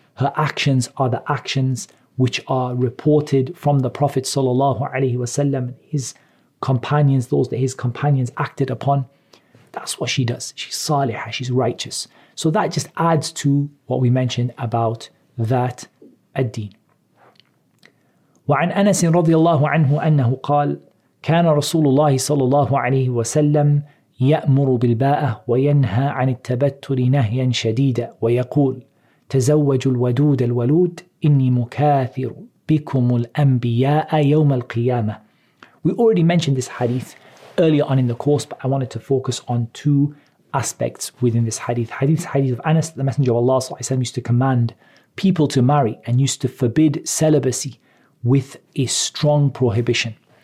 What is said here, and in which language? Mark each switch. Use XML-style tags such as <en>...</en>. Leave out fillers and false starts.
<en>Her actions are the actions which are reported from the Prophet sallallahu alayhi wa sallam, his companions, those that his companions acted upon. That's what she does. She's saliha. She's righteous. So that just adds to what we mentioned about that ad-deen.</en> <ar>وعن أنس رضي الله عنه أنه قال كان رسول الله صلى الله عليه وسلم يأمر بالباءة وينهى عن التبتر نهيا شديدا ويقول تزوج الودود الولود إني مكاثر بكم الأنبياء يوم القيامة.</ar> <en>We already mentioned this hadith earlier on in the course, but I wanted to focus on two aspects within this hadith. Hadith of Anas, the Messenger of Allah sallallahu alaihi wasallam, used to command people to marry and used to forbid celibacy with a strong prohibition.</en>